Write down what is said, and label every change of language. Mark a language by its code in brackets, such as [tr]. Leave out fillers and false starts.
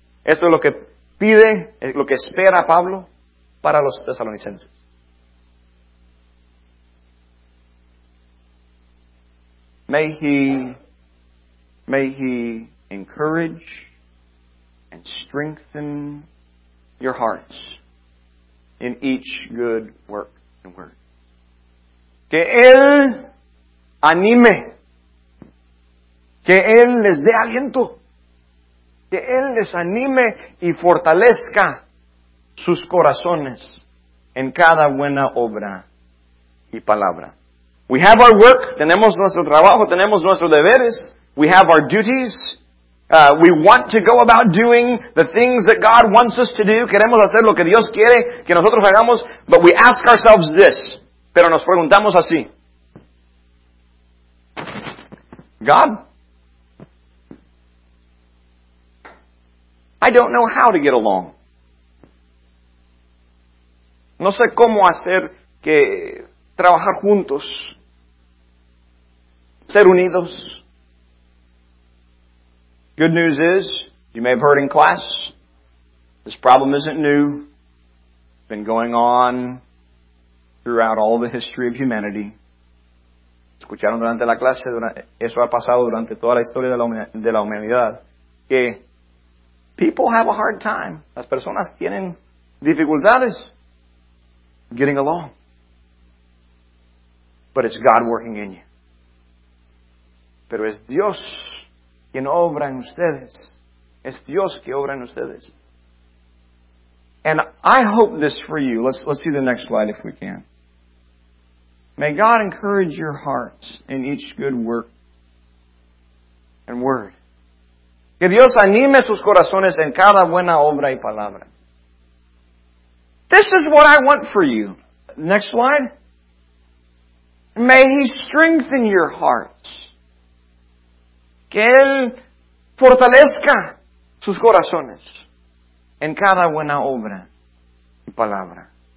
[es] Esto es lo que pide, lo que espera Pablo para los tesalonicenses. [en] May he encourage and strengthen your hearts in each good work and word. [es] Que él anime. Que él les dé aliento. Que Él les anime y fortalezca sus corazones en cada buena obra y palabra. [en] We have our work, [es] tenemos nuestro trabajo, tenemos nuestros deberes. [en] We have our duties. We want to go about doing the things that God wants us to do. [es] Queremos hacer lo que Dios quiere que nosotros hagamos. [en] But we ask ourselves this. [es] Pero nos preguntamos así. [en] God, I don't know how to get along. [es] No sé cómo hacer que trabajar juntos, ser unidos. [en] Good news is, you may have heard in class, this problem isn't new. It's been going on throughout all the history of humanity. [es] Escucharon durante la clase, eso ha pasado durante toda la historia de la humanidad, que [en] people have a hard time. [es] Las personas tienen dificultades [en] getting along. But it's God working in you. [es] Pero es Dios quien obra en ustedes. Es Dios que obra en ustedes. [en] And I hope this for you. Let's see the next slide if we can. May God encourage your hearts in each good work and word. [es] Que Dios anime sus corazones en cada buena obra y palabra. [en] This is what I want for you. Next slide. May He strengthen your hearts. [es] Que Él fortalezca sus corazones en cada buena obra y palabra.